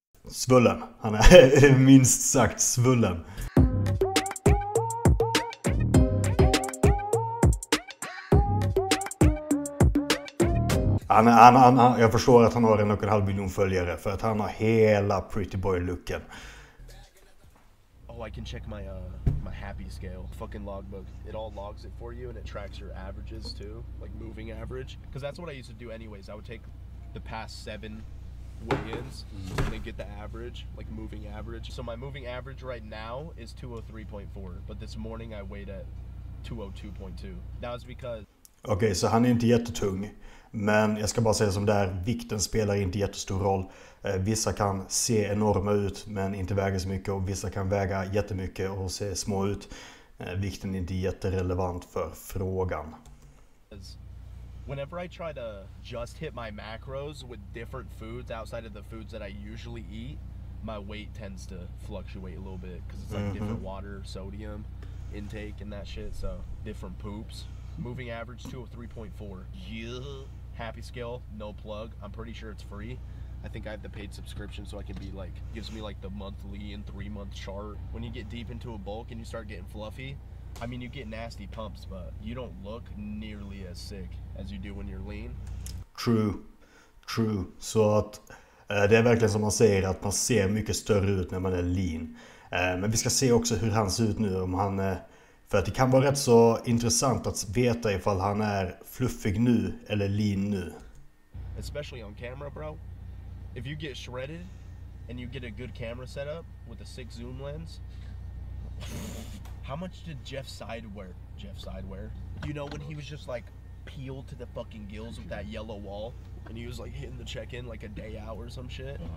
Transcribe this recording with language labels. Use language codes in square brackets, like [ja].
[sv] Svullen. Han är minst sagt svullen. Jag förstår att han har 1,5 miljon följare, för att han har hela pretty boy looken. [en] Oh, I can check my my happy scale, fucking logbook. It all logs it for you and it tracks your averages too, like moving average, because that's what I used to do anyways. I would take the past 7 weigh-ins and then get the average, like moving average. So my moving average right now is 203.4, but this morning I weighed at 202.2. That was because [sv] okay, så han är inte jättetung. Men jag ska bara säga som där, vikten spelar inte jättestor roll. Vissa kan se enorma ut men inte väga så mycket, och vissa kan väga jättemycket och se små ut. Vikten är inte jätterelevant för frågan. [en] Whenever I try to just hit my macros with different foods outside of the foods that I usually eat, my weight tends to fluctuate a little bit, because it's like different water, sodium intake and that shit, so different poops. Moving average 203.4. Yeah. Happy scale, no plug. I'm pretty sure it's free. I think I have the paid subscription, so I can be like, gives me like the monthly and 3 month chart. When you get deep into a bulk and you start getting fluffy, I mean, you get nasty pumps, but you don't look nearly as sick as you do when you're lean. True, true. [sv] So att det är verkligen som man säger, att man ser mycket större ut när man är lean. Men vi ska se också hur han ser ut nu, om han för att det kan vara rätt så intressant att veta ifall han är fluffig nu eller lean nu. [en] Especially on camera, bro. If you get shredded and you get a good camera setup with a sick zoom lens. How much did Jeff Side wear? Jeff Side wear? You know when he was just like peeled to the fucking gills with that yellow wall and he was like hitting the check-in like a day out or some shit?